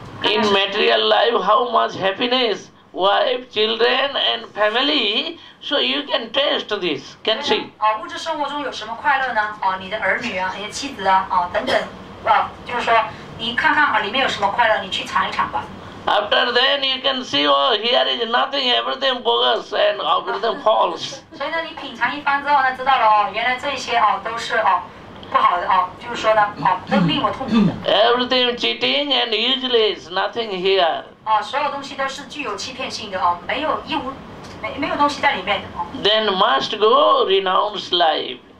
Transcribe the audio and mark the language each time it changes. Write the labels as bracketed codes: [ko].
[en] In material life, how much happiness, wife, children, and family? So you can taste this, can see. [zh] 啊，物质生活中有什么快乐呢？啊，你的儿女啊，你的妻子啊，啊等等，啊，就是说，你看看啊，里面有什么快乐，你去尝一尝吧。 [en] After then you can see, oh, here is nothing, everything bogus and everything false. [zh] 所以呢，你品尝一番之后呢，知道了哦，原来这些哦都是哦不好的哦，就是说呢，哦都令我痛苦的。 [en] Everything cheating and useless, nothing here. [zh] 哦，所有东西都是具有欺骗性的哦，没有一无，没有东西在里面的哦。 [en] Then must go renounce life.